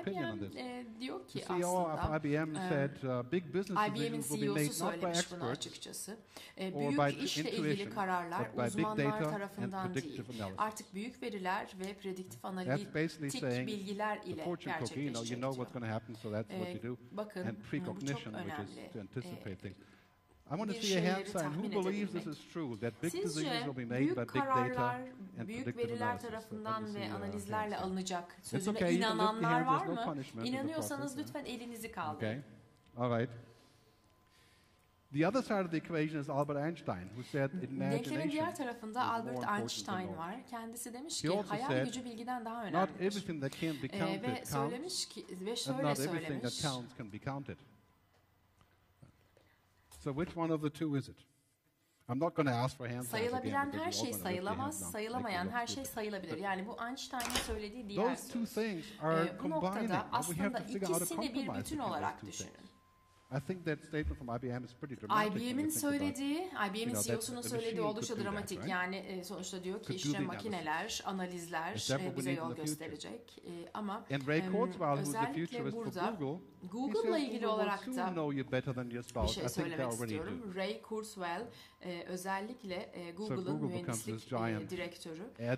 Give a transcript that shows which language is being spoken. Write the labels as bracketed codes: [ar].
[en] opinion on this. [tr] Diyor ki [en] the CEO [tr] aslında, [en] of IBM said big business [tr] IBM'in CEO'su [en] will be made [tr] söylemiş [en] not by experts, [tr] bunu açıkçası. Büyük işle ilgili kararlar uzmanlar tarafından değil. Artık büyük veriler ve prediktif analitik bilgiler ile gerçekleşecek. [en] Cookie, you know what's going to happen, so that's what you do. [tr] Bakın [en] precognition, which is to anticipate things. I want to see a hand sign. Who believes this is true, that big decisions will be made by big data and predictive analysis? It's okay, you can lift your hand, there's no punishment in the process. Okay, all right. The other side of the equation is Albert Einstein, who said imagination is more important than knowledge. He also said, not everything that can be counted counts, and not everything that counts can be counted. So which one of the two is it? I'm not going to ask for hands again. [tr] Sayılabilen her şey sayılamaz, sayılamayan her şey sayılabilir. Yani bu Einstein'ın söylediği diğer [en] those two things are combined. We have to figure out a compromise. I think that statement from IBM is pretty dramatic. [tr] IBM'in söylediği, IBM'in CEO'sunun söylediği oldukça dramatik. [en] That, right? [tr] Yani sonuçta diyor ki işte makineler, analizler bize yol gösterecek. Ama Ray Kurzweil, özellikle burada Google'la ilgili olarak da [en] know you better than your spouse. [tr] Bir şey söylemek istiyorum. [en] Do. [tr] Ray Kurzweil özellikle Google'ın mühendislik direktörü.